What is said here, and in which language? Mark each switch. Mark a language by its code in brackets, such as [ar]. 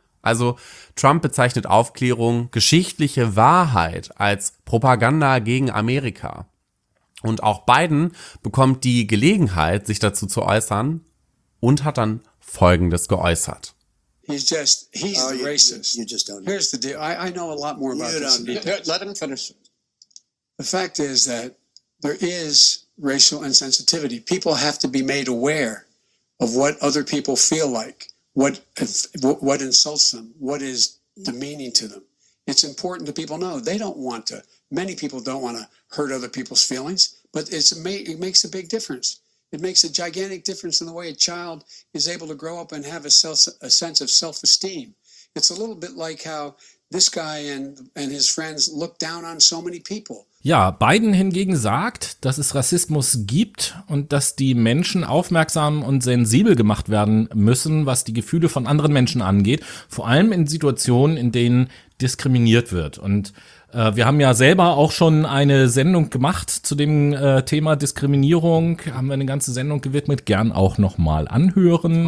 [de] Also Trump bezeichnet Aufklärung, geschichtliche Wahrheit als Propaganda gegen Amerika. Und auch Biden bekommt die Gelegenheit, sich dazu zu äußern und hat dann Folgendes geäußert. [en] He's the racist. You just don't know. Here's the deal. I know a lot more about this. Let him finish. The fact is that there is racial insensitivity. People have to be made aware of what other people feel like. What insults them? What is demeaning to them? It's important that people know. They don't want to. Many people don't want to hurt other people's feelings, but it makes a big difference. It makes a gigantic difference in the way a child is able to grow up and have a sense of self-esteem. It's a little bit like how this guy and his friends look down on so many people. [de] Ja, Biden hingegen sagt, dass es Rassismus gibt und dass die Menschen aufmerksam und sensibel gemacht werden müssen, was die Gefühle von anderen Menschen angeht, vor allem in Situationen, in denen diskriminiert wird. Und wir haben ja selber auch schon eine Sendung gemacht zu dem Thema Diskriminierung, haben wir eine ganze Sendung gewidmet, gern auch nochmal anhören.